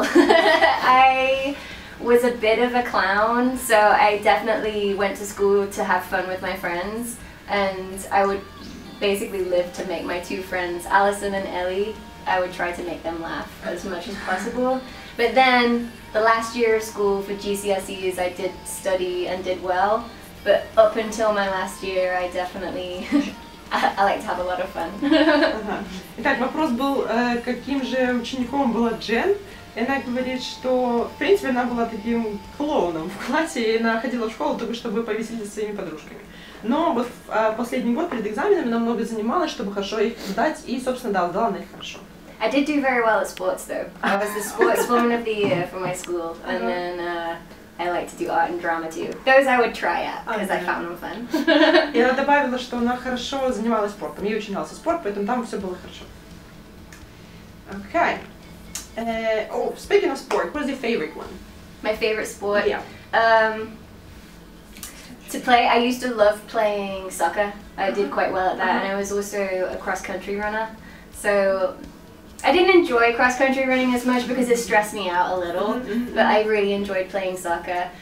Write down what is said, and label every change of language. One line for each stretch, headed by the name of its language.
English: I was a bit of a clown, so I definitely went to school to have fun with my friends, and I would basically live to make my two friends, Allison and Ellie, I would try to make them laugh as much as possible. But then, the last year of school for GCSEs, I did study and did well, but up until my last year, I definitely... I like to have a lot of fun.
Russian: Итак, вопрос был, каким же учеником была Джен? Она говорит, что, в принципе, она была таким клоуном в классе, и она ходила в школу только чтобы повеселиться со своими подружками. Но вот в последний год перед экзаменами она много занималась, чтобы хорошо их сдать, и, собственно, да, сдала на них хорошо.
English: I did do very well at sports, though. I was the sportswoman of the year for my school, and then I like to do art and drama, too. Those I would try at, because I found them fun.
Russian: И она добавила, что она хорошо занималась спортом. Ей очень нравился спорт, поэтому там все было хорошо.
English: Okay. Speaking of sport, what is your favorite one? My favorite sport? Yeah. To play, I used to love playing soccer. I did quite well at that, and I was also a cross-country runner. So, I didn't enjoy cross-country running as much because it stressed me out a little, but I really enjoyed playing soccer.